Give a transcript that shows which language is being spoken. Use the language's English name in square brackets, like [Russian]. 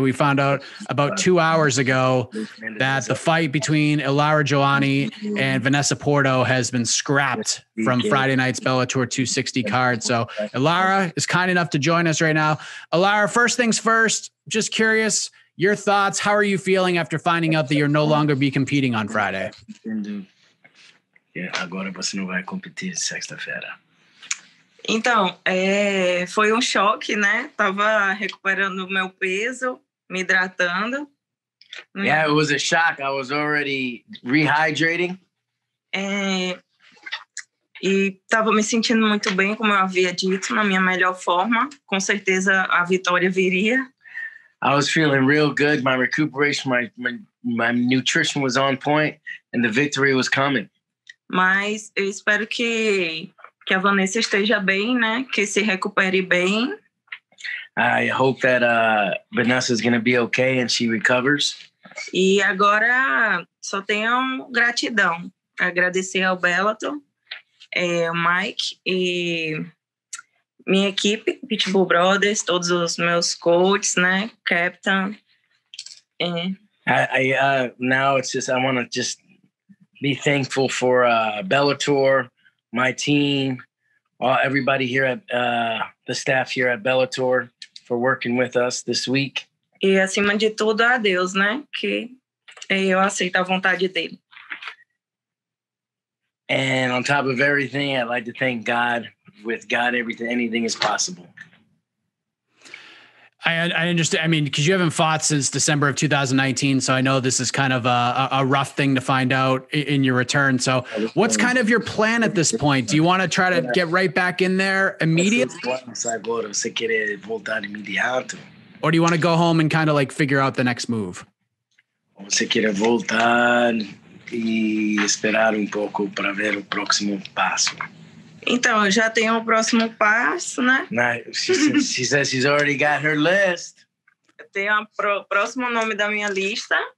[English] We found out about 2 hours ago that the fight between Ilara Joanne and Vanessa Porto has been scrapped from Friday night's Bellator 260 card. So Ilara is kind enough to join us right now. Ilara, first things first, just curious, your thoughts, how are you feeling after finding out that you're no longer be competing on Friday? [Portuguese] Yeah, agora você não vai competir sexta-feira. Então, foi choque, né? Tava recuperando meu peso, me hidratando. [English] Yeah, it was a shock. I was already rehydrating. [Portuguese] E tava me sentindo muito bem, como eu havia dito, na minha melhor forma. Com certeza a vitória viria. [English] I was feeling real good. My recuperation, my nutrition was on point, and the victory was coming. [Portuguese] Mas eu espero que a Vanessa esteja bem, né? Que se recupere bem. [English] I hope that Vanessa is going to be okay and she recovers. [Portuguese] E agora só tenho gratidão. Agradecer ao Bellator, ao Mike e minha equipe, Pitbull Brothers, todos os meus coaches, né, captain. [English] I want to just be thankful for Bellator, my team, everybody here at the staff here at Bellator for working with us this week. [Portuguese] E acima de tudo a Deus, né, que eu aceito a vontade dele. [English] And on top of everything, I'd like to thank God. With God, anything is possible. I understand. I mean, because you haven't fought since December of 2019, so I know this is kind of a rough thing to find out in your return. So what's kind of your plan at this point? Do you want to try to get right back in there immediately? Or do you want to go home and kind of like figure out the next move? [Portuguese] Você quer voltar e esperar pouco para ver o próximo passo. Então, já tenho o próximo passo, né? [English] She says she's already got her list. [Portuguese] Eu tenho o próximo nome da minha lista.